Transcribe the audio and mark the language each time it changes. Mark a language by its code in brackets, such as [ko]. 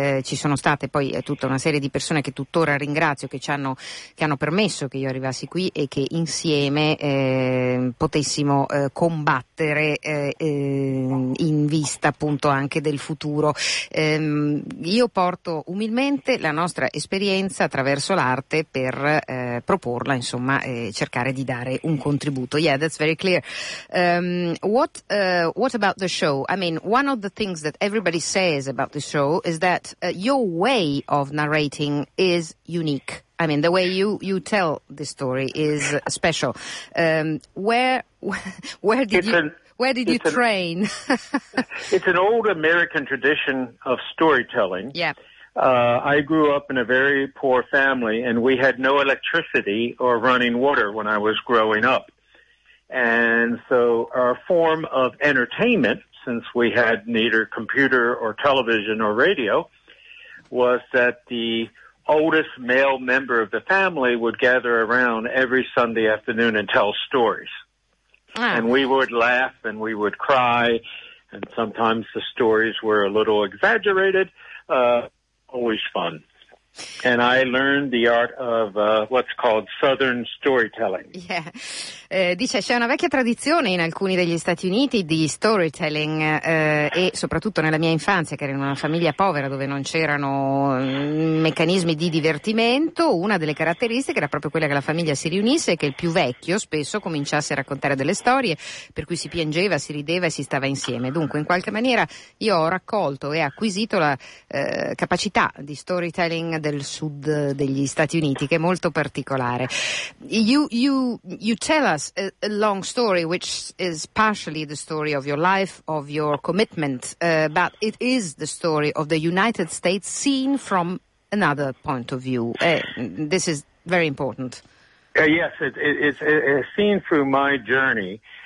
[it] ci sono state poi tutta una serie di persone che tuttora ringrazio, che hanno permesso che io arrivassi qui e che insieme potessimo combattere in vista appunto anche del futuro. Io porto umilmente la nostra esperienza attraverso l'arte per proporla, insomma, cercare di dare un contributo. [en] Yeah, that's very clear. What about the show? I mean, one of the things that everybody says about the show is that your way of narrating is unique. I mean, the way you tell the story is special. Where did you train? It's an old American tradition of storytelling. Yeah. I grew up in a very poor family, and we had no electricity or running water when I was growing up. And so our form of entertainment, since we had neither computer or television or radio, was that the oldest male member of the family would gather around every Sunday afternoon and tell stories. And we would laugh and we would cry, and sometimes the stories were a little exaggerated. Always fun. And I learned the art of what's called Southern storytelling. Yeah. [it] Dice c'è una vecchia tradizione in alcuni degli Stati Uniti di storytelling e soprattutto nella mia infanzia, che era in una famiglia povera dove non c'erano meccanismi di divertimento, una delle caratteristiche era proprio quella che la famiglia si riunisse e che il più vecchio spesso cominciasse a raccontare delle storie per cui si piangeva, si rideva e si stava insieme. Dunque in qualche maniera io ho raccolto e acquisito la capacità di storytelling del sud degli Stati Uniti, che è molto particolare. [en] You tell us a long story, which is partially the story of your life, of your commitment, but it is the story of the United States seen from another point of view. This is very important. Yes, it's seen through my journey.